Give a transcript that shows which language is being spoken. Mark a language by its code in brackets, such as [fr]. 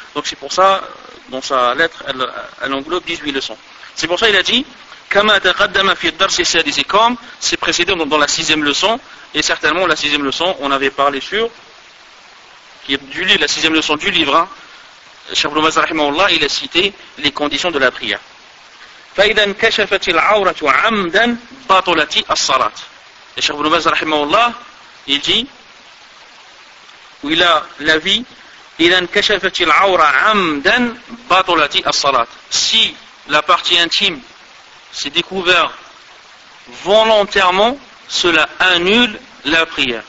[fr] Donc c'est pour ça, dans sa lettre, elle englobe 18 leçons. C'est pour ça, il a dit, [ar] كما تقدم في الدرس السادس [fr] comme c'est précédé dans la sixième leçon et certainement la sixième leçon on avait parlé sur qui est du livre la sixième leçon du livre Cheikh Ibn Baz rahimahullah il a cité les conditions de la prière. [ar] فإذا كشفت العورة عمدا بطلت الصلاة. [fr] Et Cheikh Ibn Baz rahimahullah il dit où il a la vie [ar] إذا كشفت العورة عمدا بطلت الصلاة. [fr] Si la partie intime s'est découvert volontairement, cela annule la prière.